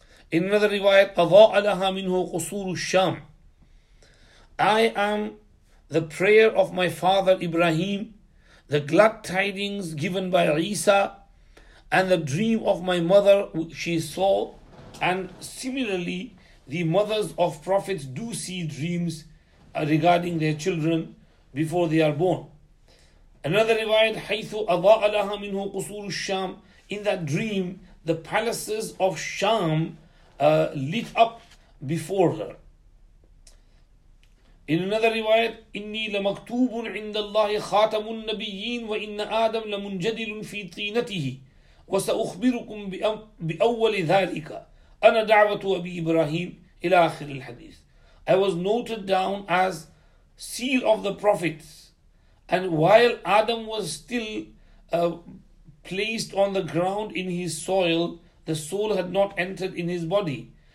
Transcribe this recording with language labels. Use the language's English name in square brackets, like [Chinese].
[English] In another riwayat, [Arabic] أَضَاءَ لَهَا مِنْهُ قُصُورُ الشَّامِ. [English] I am the prayer of my father Ibrahim, the glad tidings given by Isa, and the dream of my mother which she saw. And similarly, the mothers of prophets do see dreams regarding their children before they are born. Another riwayat, [Arabic] حَيْثُ أَضَاءَ لَهَا مِنْهُ قُصُورُ الشَّامِ. [English] In that dream, the palaces of Sham lit up before her. In another riwayat, [Arabic] إِنِّي لَمَكْتُوبٌ عِنْدَ اللَّهِ خَاتَمُ النَّبِيِّينَ وَإِنَّ آدَمْ لَمُنْجَدِلٌ فِي طِينَتِهِ وَسَأُخْبِرُكُمْ بِأَوَّلِ ذَلِكَ أَنَا دَعْوَةُ أَبِي إِبْرَاهِيمُ إِلَىٰ آخِرِ الْحَدِيثِ. [English] I was noted down as seal of the prophets, and while Adam was still placed on the ground in his soil, the soul had not entered in his body.